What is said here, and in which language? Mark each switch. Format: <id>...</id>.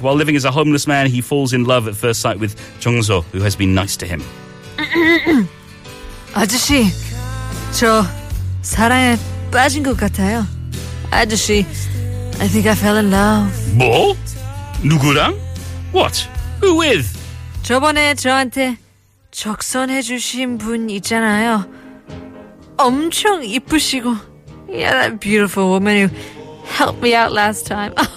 <en>While living as a homeless man, he falls in love at first sight with Jungso, who has been nice to him.</en> <ko>아저씨, 저 사랑에 빠진 것 같아요.</ko> <en>아저씨, I think I fell in love.</en> <ko>뭐? 누구랑?</ko> <en>What? Who with?</en> <ko>저번에 저한테 적선해 주신 분 있잖아요. 엄청 이쁘시고.</ko> <en>Yeah, that beautiful woman who helped me out last time.</en>